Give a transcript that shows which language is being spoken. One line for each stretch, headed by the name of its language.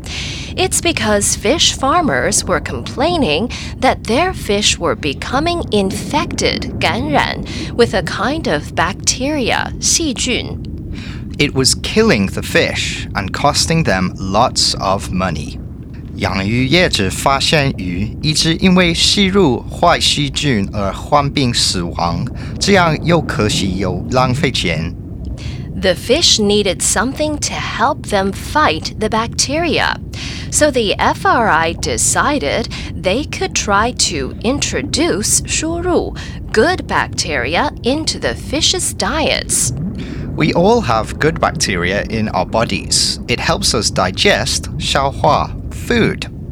English: It's because fish farmers were complaining that their fish were becoming infected, 感染, with a kind of bacteria, 细菌. It was killing the fish and costing them lots of money.
Chinese: 养鱼业者发现鱼一直因为吸入坏细菌而患病死亡，这样又可惜又浪费钱。
English: The fish needed something to help them fight the bacteria. So the FRI decided they could try to introduce 输入 good bacteria into the fish's diets. We all have good bacteria in our bodies. It helps us digest, 消化, food.